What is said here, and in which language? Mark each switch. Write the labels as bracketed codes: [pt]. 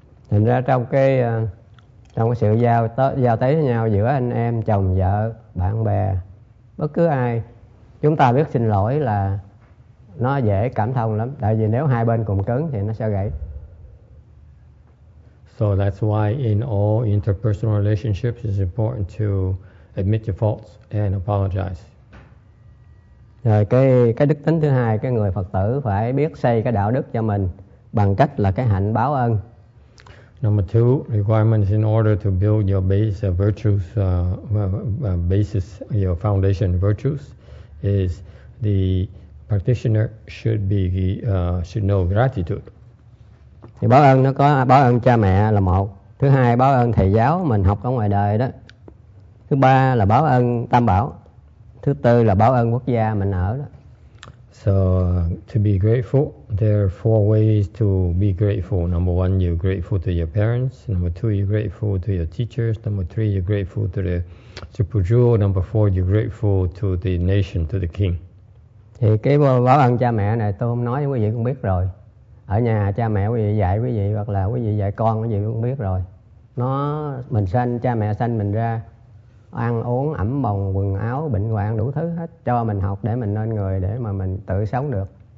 [vi] Thành ra trong cái trong cái sự giao tế với nhau giữa anh em, chồng, vợ, bạn bè, bất cứ ai, chúng ta biết xin lỗi là nó dễ cảm thông lắm. Tại vì nếu hai bên cùng cứng thì nó sẽ gãy. [en] So that's why in all interpersonal relationships it's important to admit your faults and apologize. [vi] Rồi cái đức tính thứ hai, cái người Phật tử phải biết xây cái đạo đức cho mình bằng cách là cái hạnh báo ân. [en] Number two, requirements in order to build your base of virtues, basis, your foundation virtues, is the practitioner should be should know gratitude. [vi] Thì báo ơn nó có báo ơn cha mẹ là một, Thứ hai, báo ơn thầy giáo mình học ở ngoài đời đó. Thứ ba là báo ơn Tam Bảo. Thứ tư là báo ơn quốc gia mình ở đó. [en] So to be grateful, there are four ways to be grateful. Number one, you're grateful to your parents. Number two, you're grateful to your teachers. Number three, you're grateful to the Supreme. Number four, you're grateful to the nation, to the king. [vi] Thì cái báo ơn cha mẹ này tôi không nói, quý vị cũng biết rồi. Ở nhà cha mẹ quý vị dạy quý vị, hoặc là quý vị dạy con quý vị cũng biết rồi. Nó mình sanh, cha mẹ sanh mình ra, ăn uống ẩm bồng quần áo bệnh hoạn đủ thứ hết, cho mình học để mình nên người, để mà mình tự sống được.